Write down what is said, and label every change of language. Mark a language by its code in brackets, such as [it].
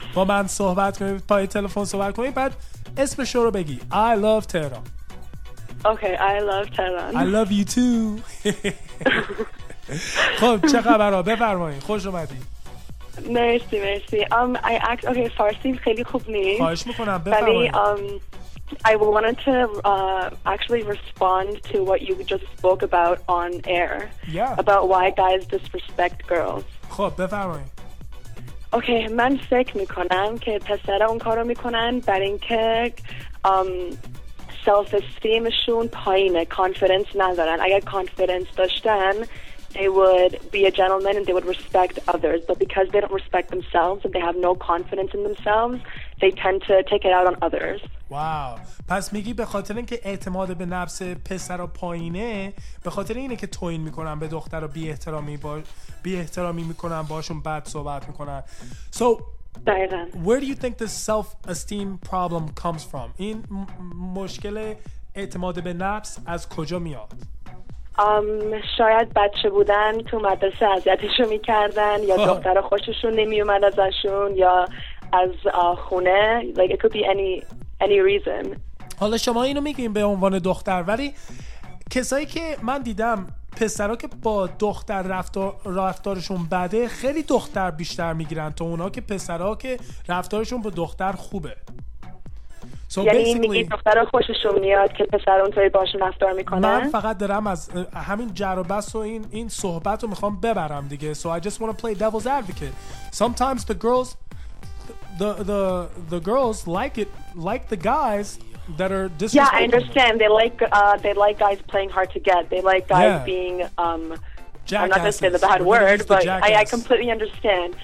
[fa] با من صحبت کنیم، پای تلفن صحبت کنیم، بعد اسم شو رو بگی. [en] I love Tehran. Okay, I love Tehran. I love you too. [fa] خب چه خبر ها؟ بفرمایید. خوش اومدی. مرسی مرسی. Okay, فارسی خیلی خوب نیست. خواهش میکنم بفرمایید. [en] I wanted to actually respond to what you just spoke about on air. Yeah. About why guys disrespect girls. [fa] خب بفرمایید. اوکی okay, من فکر میکنم که پسرها اون کارو میکنن برای اینکه سلف استیمشون پایینه، کانفیدنس ندارن. اگر کانفیدنس داشتن [en] they would be a gentleman and they would respect others, but because they don't respect themselves and they have no confidence in themselves they tend to take it out on others. [fa] واو. پس میگی به خاطر اینکه اعتماد به نفس پسرها پایینه، به خاطر اینه که توهین میکنن به دخترها، بی احترامی میکنن، باشون بد صحبت میکنن. [en] So [fa] دقیقاً. [en] Where do you think the self-esteem problem comes from? [fa] این مشکل اعتماد به نفس از کجا میاد؟ شاید بچه بودن تو مدرسه اذیتشو میکردن، یا دختر خوششون نمیومد ازشون، یا از خونه، [en] like it could be any reason. [fa] حالا شما اینو میگین به عنوان دختر، ولی کسایی که من دیدم پسرها که با دختر رفتارشون بده خیلی دختر بیشتر میگیرن تا اونا که پسرها که رفتارشون با دختر خوبه. So یعنی میگی دختر خوششون میاد که پسر اونطوری باشون رفتار میکنه؟ من فقط دارم از همین جربس و این صحبت رو میخوام ببرم دیگه. [en] So I just want to play devil's advocate. Sometimes the girls like the guys that are disrespectful. Yeah, I understand. They like guys playing hard to get. They like guys yeah. being Jackasses. Not to say the bad word, but I completely understand.